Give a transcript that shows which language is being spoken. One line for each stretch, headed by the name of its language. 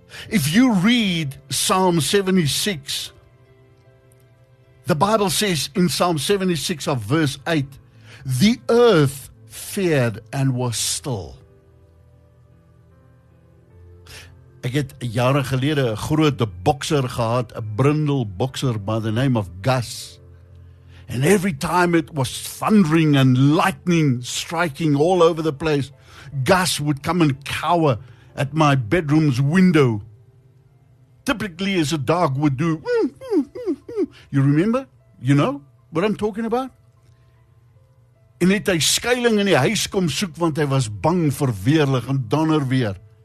English: If you read Psalm 76, the Bible says in Psalm 76 of verse 8, the earth feared and was still.
Afrikaans: Ek het jare gelede 'n groot bokser gehad, 'n brindel bokser
English: by the name of Gus. And every time it was thundering and lightning striking all over the place, Gus would come and cower at my bedroom's window. Typically, as a dog would do, You remember? You know what I'm talking about?
Afrikaans: En het hy skuiling in die huis kom soek, want hy was bang vir weerlig en donder weer.